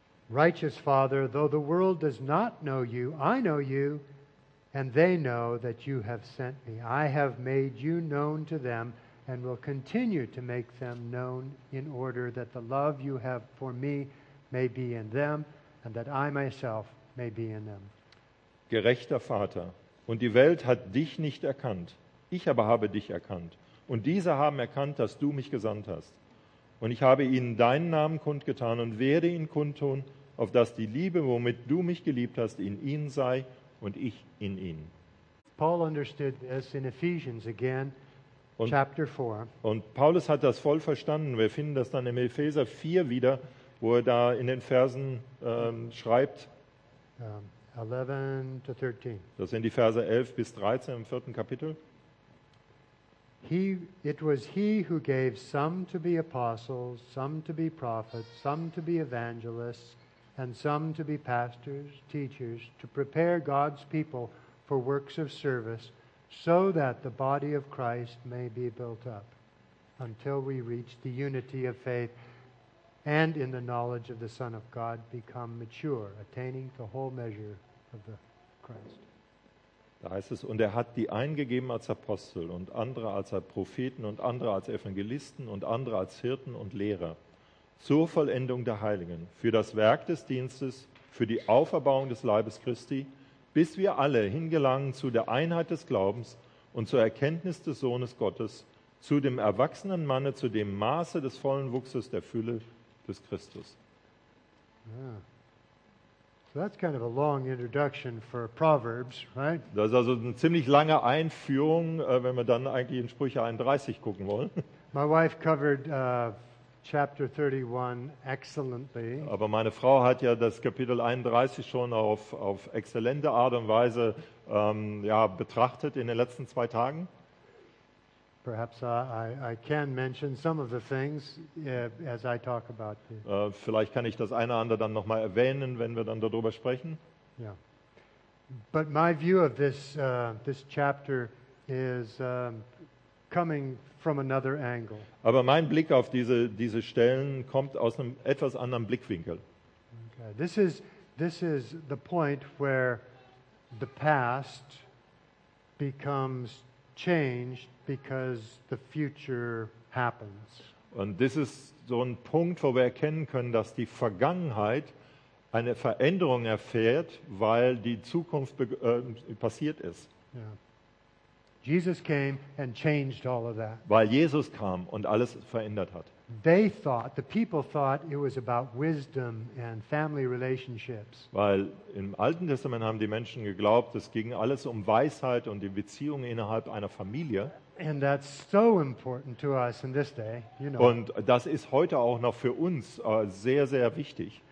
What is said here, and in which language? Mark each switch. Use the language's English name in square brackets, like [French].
[English] Righteous Father, though the world does not know you, I know you. And they know that you have sent me. I have made you known to them and will continue to make them known in order that the love you have for me may be in them and that I myself may be in them. [German] Gerechter Vater, und die Welt hat dich nicht erkannt. Ich aber habe dich erkannt. Und diese haben erkannt, dass du mich gesandt hast. Und ich habe ihnen deinen Namen kundgetan und werde ihn kundtun, auf dass die Liebe, womit du mich geliebt hast, in ihnen sei und ich in ihn. [English] Paul understood this in Ephesians again, chapter 4. [German] Und Paulus hat das voll verstanden. Wir finden das dann im Epheser 4 wieder, wo er da in den Versen schreibt. [English] 11 to 13. [German] Das sind die Verse 11 bis 13 im vierten Kapitel. [English] It was he who gave some to be apostles, some to be prophets, some to be evangelists, and some to be pastors, teachers, to prepare God's people for works of service, so that the body of Christ may be built up, until we reach the unity of faith and in the knowledge of the Son of God become mature, attaining the whole measure of the Christ. [German] Da heißt es, und er hat die einen gegeben als Apostel und andere als Propheten und andere als Evangelisten und andere als Hirten und Lehrer zur Vollendung der Heiligen, für das Werk des Dienstes, für die Auferbauung des Leibes Christi, bis wir alle hingelangen zu der Einheit des Glaubens und zur Erkenntnis des Sohnes Gottes, zu dem erwachsenen Manne, zu dem Maße des vollen Wuchses der Fülle des Christus. [English] Yeah. So that's kind of a long introduction for Proverbs, right? [German] Das ist also eine ziemlich lange Einführung, wenn wir dann eigentlich in Sprüche 31 gucken wollen. [English] My wife covered chapter 31 excellently. [German] Aber meine Frau hat ja das Kapitel 31 schon auf exzellente Art und Weise betrachtet in den letzten zwei Tagen. [English] Perhaps I can mention some of the things as I talk about this. [German] Vielleicht kann ich das eine oder andere dann noch mal erwähnen, wenn wir dann darüber sprechen. [English] Yeah. But my view of this chapter is coming from another angle. [German] Aber mein Blick auf diese Stellen kommt aus einem etwas anderen Blickwinkel. [English] Okay. This is the point where the past becomes changed because the future happens. [German] Und das ist so ein Punkt, wo wir erkennen können, dass die Vergangenheit eine Veränderung erfährt, weil die Zukunft passiert ist. [English] Yeah. Jesus came and changed all of that. [German] Weil Jesus kam und alles verändert hat. [English] The people thought it was about wisdom and family relationships. [German] Weil im Alten Testament haben die Menschen geglaubt, es ging alles um Weisheit und die Beziehungen innerhalb einer Familie. [English] And that's so important to us in this day, you know. [German] Und das ist heute auch noch für uns sehr, sehr wichtig.